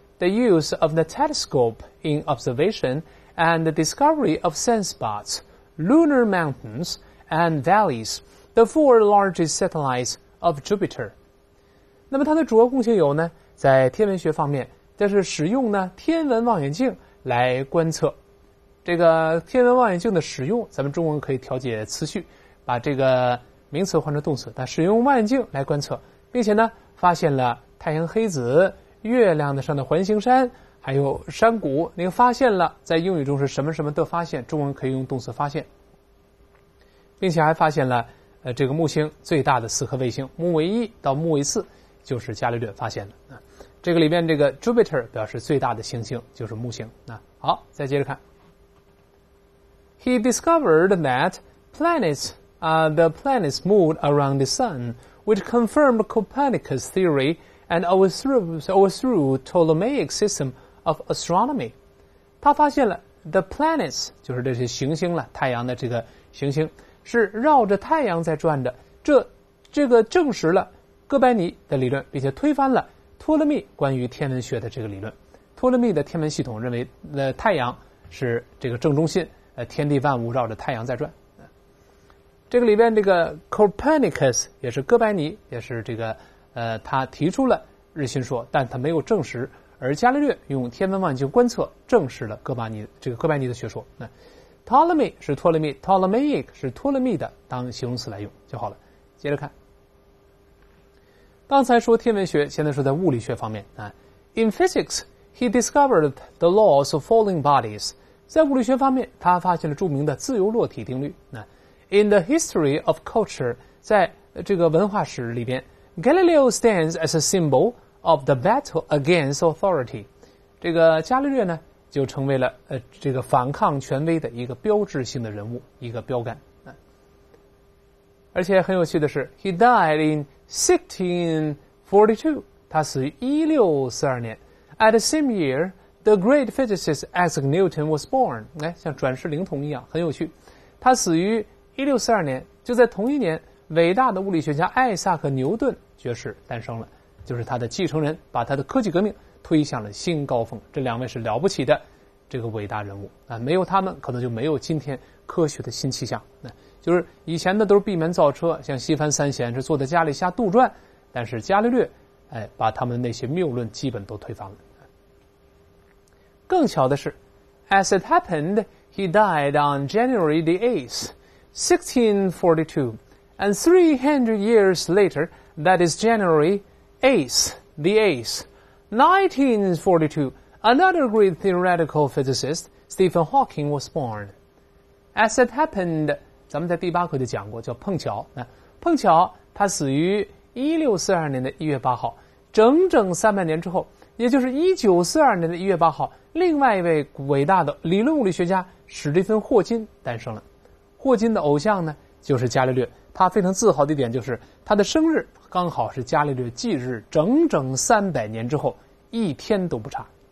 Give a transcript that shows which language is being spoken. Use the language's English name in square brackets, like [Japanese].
[English] The use of the telescope in observation and the discovery of sunspots, lunar mountains and valleys, the four largest satellites of Jupiter. [Chinese] 那么它的主要贡献有呢，在天文学方面，但是使用呢天文望远镜来观测。这个天文望远镜的使用，咱们中文可以调节词序，把这个名词换成动词。那使用望远镜来观测，并且呢发现了太阳黑子。月亮的上的环形山还有山谷，您发现了，在英语中是什么什么的发现，中文可以用动词发现，并且还发现了这个木星最大的四颗卫星木卫一到木卫四，就是伽利略发现的、啊、这个里面这个 Jupiter 表示最大的行星，就是木星、啊、好，再接着看。 [English] He discovered that planets the planets moved around the sun, which confirmed Copernicus' theoryand overthrew Ptolemaic system of astronomy. [Chinese] 他发现了 [English] the planets, [Chinese] 就是这些行星了，太阳的这个行星是绕着太阳在转的，这个证实了哥白尼的理论，并且推翻了托勒密关于天文学的这个理论。托勒密的天文系统认为太阳是这个正中心，天地万物绕着太阳在转。这个里面这个 Copernicus 也是哥白尼，也是这个他提出了日心说，但他没有证实，而伽利略用天文望远镜观测证实了哥白尼的学说。那 Ptolemy 是托勒密， Ptolemaic 是托勒密的当形容词来用就好了。接着看，刚才说天文学，现在说在物理学方面啊。 [English] In physics, he discovered the laws of falling bodies. [Chinese] 在物理学方面，他发现了著名的自由落体定律。 [English] 那 In the history of culture, [Chinese] 在这个文化史里边， [English] Galileo stands as a symbol of the battle against authority. [Chinese] 这个伽利略呢，就成为了这个反抗权威的一个标志性的人物，一个标杆。而且很有趣的是 [English] ，He died in 1642. [Chinese] 他死于1642年。 [English] At the same year, the great physicist Isaac Newton was born. [Chinese] 哎，像转世灵童一样，很有趣。他死于1642年，就在同一年。伟大的物理学家艾萨克·牛顿爵士诞生了，就是他的继承人，把他的科技革命推向了新高峰。这两位是了不起的这个伟大人物啊，没有他们可能就没有今天科学的新气象。那就是以前的都是闭门造车，像西番三贤是坐在家里瞎杜撰，但是伽利略哎，把他们那些谬论基本都推翻了。更巧的是 [English] ,As it happened, he died on January the 8th, 1642,And 300 years later, that is January 8th, the 8th, 1942, another great theoretical physicist, Stephen Hawking, was born. As it happened, [Chinese] 咱们在第八课就讲过，叫碰巧。碰巧他死于1642年的1月8号，整整300年之后，也就是1942年的1月8号，另外一位伟大的理论物理学家史蒂芬·霍金诞生了。霍金的偶像呢，就是伽利略。他非常自豪的一点就是他的生日刚好是伽利略忌日，整整300年之后一天都不差。